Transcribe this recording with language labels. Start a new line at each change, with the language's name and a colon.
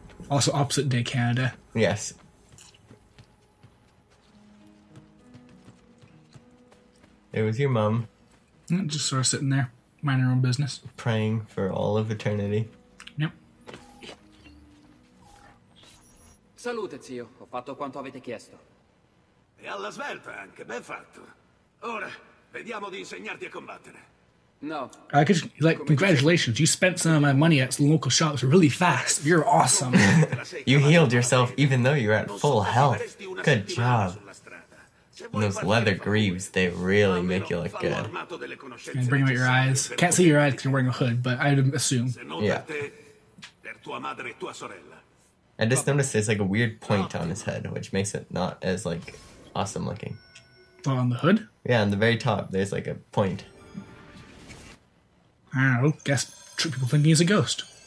English: Also opposite day Canada. Yes. It was your mom. Just sort of sitting there, minding her own business. Praying for all of eternity. Yep.
Italian: Salute, zio. Ho fatto quanto avete chiesto. E alla svelta anche. Ben fatto. Ora, vediamo di insegnarti a combattere.
English: No. I could, like, congratulations. You spent some of my money at some local shops really fast. You're awesome. You healed yourself even though you're at full health. Good job. And those leather greaves, they really make you look good. And bring out your eyes. Can't see your eyes because you're wearing a hood, but I'd assume. Yeah.
Italian: Per tua madre e tua sorella.
English: I just noticed there's like a weird point on his head, which makes it not as like awesome looking. Oh, on the hood? Yeah, on the very top, there's like a point. I don't know, guess people think he's a ghost.